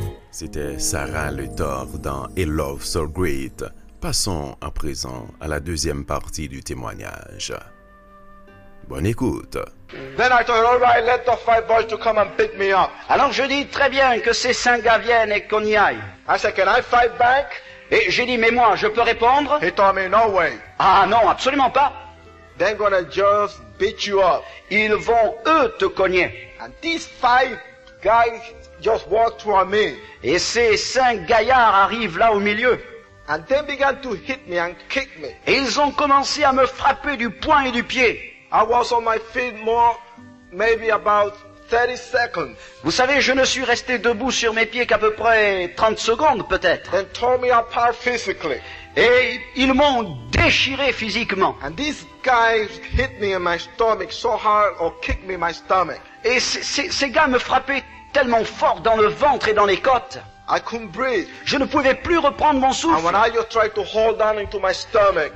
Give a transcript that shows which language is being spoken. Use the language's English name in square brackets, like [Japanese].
[French] C'était Sarah Luthor dans A Love So Great. Passons à présent à la deuxième partie du témoignage. Bonne écoute. [English] Then I thought, all right, let the five boys to come and beat me up. [French] Alors je dis très bien que ces cinq gars viennent et qu'on y aille. [English] I said, can I fight back? [French] Et j'ai dit, mais moi, je peux répondre? [English] He told me, no way. [French] Ah non, absolument pas. [English] They're gonna just beat you up. [French] Ils vont eux te cogner. [English] And these five guys just walked toward me. [French] Et ces cinq gaillards arrivent là au milieu. [English] And they began to hit me and kick me. [French] Et ils ont commencé à me frapper du poing et du pied. [English] I was on my feet more, maybe about 30 seconds. [French] Vous savez, je ne suis resté debout sur mes pieds qu'à peu près 30 secondes peut-être. [English] They tore me apart physically. [French] Et ils m'ont déchiré physiquement. [English] And these guys hit me in my stomach so hard or kicked me in my stomach. [French] Et ces gars me frappaient tellement fort dans le ventre et dans les côtes. [English] I couldn't breathe. [French] Je ne pouvais plus reprendre mon souffle. [English] And when I just tried to hold on into my stomach.